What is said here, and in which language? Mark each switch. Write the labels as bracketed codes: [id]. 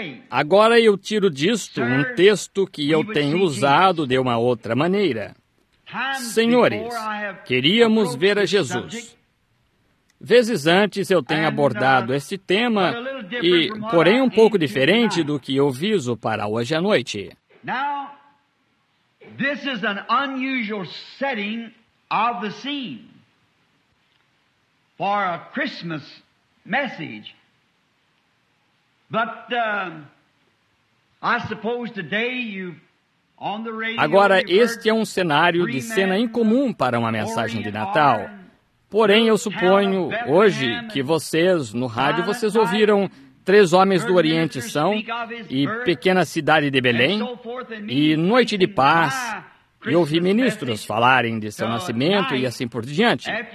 [pt] Agora eu tiro disto um texto que eu tenho usado de uma outra maneira. Senhores, queríamos ver a Jesus. Vezes antes eu tenho abordado este tema, e porém um pouco diferente do que eu viso para hoje à noite. [en] Now, this is an unusual setting of the scene for a Christmas message. But I suppose today you on the radio. [pt] Agora, este é um cenário de cena incomum para uma mensagem de Natal. Porém, eu suponho hoje que vocês, no rádio, vocês ouviram Três Homens do Oriente São e Pequena Cidade de Belém e Noite de Paz, e ouvi ministros falarem de seu nascimento e assim por diante.